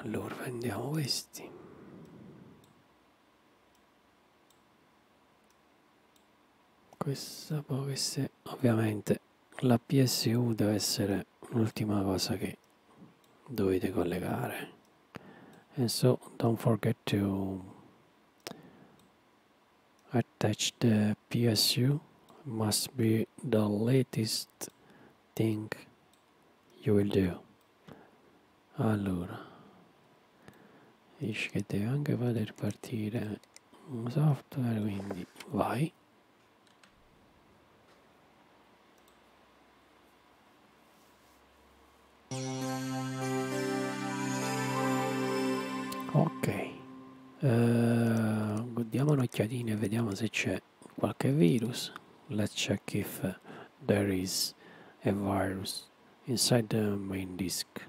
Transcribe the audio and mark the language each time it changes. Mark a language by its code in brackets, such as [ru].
[it] Allora vendiamo questi. Questa può essere, ovviamente la PSU deve essere l'ultima cosa che dovete collegare. [en] And so don't forget to attach the PSU. Must be the latest thing you will do. [it] Allora, dice che deve anche poter partire un software, quindi vai. Ok, diamo un'occhiatina e vediamo se c'è qualche virus. [en] Let's check if there is a virus inside the main disk.